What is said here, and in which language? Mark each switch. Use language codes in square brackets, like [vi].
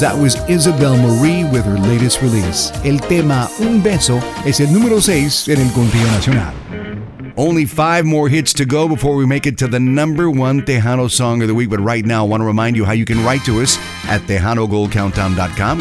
[en] That was Isabel Marie with her latest release. [es] El tema Un Beso es el número 6 en el conteo nacional. [en] Only 5 more hits to go before we make it to the number 1 Tejano song of the week. But right now, I want to remind you how you can write to us at TejanoGoldCountdown.com.